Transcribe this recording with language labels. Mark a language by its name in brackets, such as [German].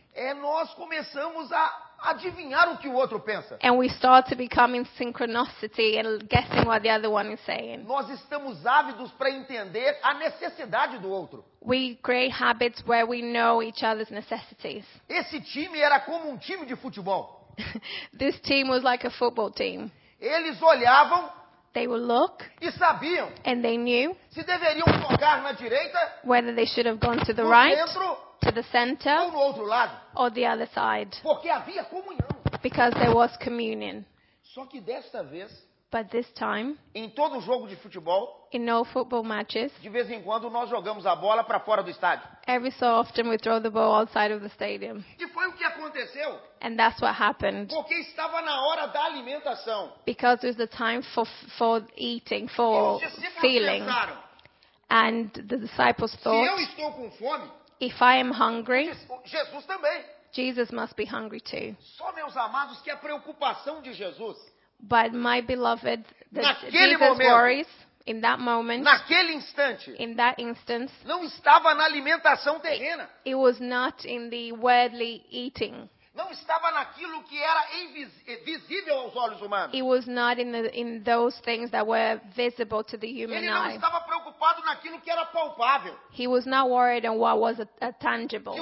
[Portuguese] É nós começamos a adivinhar o que o outro pensa. [English] And we start to become in synchronicity and guessing what the other one is saying. [Portuguese] Nós estamos ávidos para entender a necessidade do outro. [English] We create habits where we know each other's necessities. [Portuguese] Esse time era como um time de futebol. [English] This team was like a football team. [Portuguese] Eles olhavam. [English] They would look. [Portuguese] E sabiam. [English] And they knew. [Portuguese] Se deveriam tocar na direita. [English] Whether they should have gone to the [Portuguese] no [English] right. [Portuguese] Centro, [English] to the center. [Portuguese] Ou no outro lado. [English] Or the other side. [Portuguese] Porque havia comunhão. [English] Because there was communion. [Portuguese] Só que desta vez. [English] But this time. [Portuguese] Em todo jogo de futebol. [English] In all football matches. [Portuguese] De vez em quando nós jogamos a bola para fora do estádio. [English] Every so often we throw the ball outside of the stadium. [Portuguese] E foi o que aconteceu. [English] And that's what happened. [Portuguese] Porque estava na hora da alimentação. [English] Because it was the time for eating, for feeling. [Portuguese] Pensaram, [English] and the disciples thought. [Portuguese] Se eu estou com fome. [English] If I am hungry. [Portuguese] Jesus também. [English] Jesus must be hungry too. [Portuguese] Só meus amados que a preocupação de Jesus. [English] But my beloved, the [Portuguese] naquele [English] Jesus [Portuguese] momento, [English] worries in that moment, [Portuguese] naquele instante, [English] in that instance, [Portuguese] não estava na alimentação terrena. [English] It was not in the worldly eating. [Portuguese] Não estava naquilo que era visível aos olhos humanos. [English] It was not in those things that were visible to the human [Portuguese] Ele não estava preocupado naquilo que era palpável. [English] He was not worried on what was a tangible.